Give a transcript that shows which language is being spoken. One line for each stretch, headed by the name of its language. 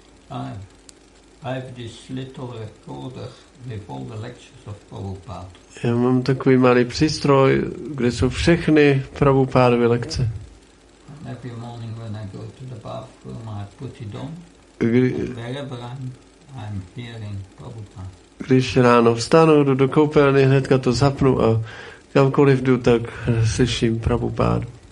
English: I have this little recorder with all the lectures of Prabhupada.
Czech: Já mám takový malý přístroj, kde jsou všechny Prabhupádovy lekce.
English: Every morning when I go to the bathroom, I put it on. Wherever I'm hearing Prabhupada.
Czech: Když ráno vstanu, jdu do koupelny, hnedka to zapnu a kamkoliv jdu, tak slyším Prabhupádu.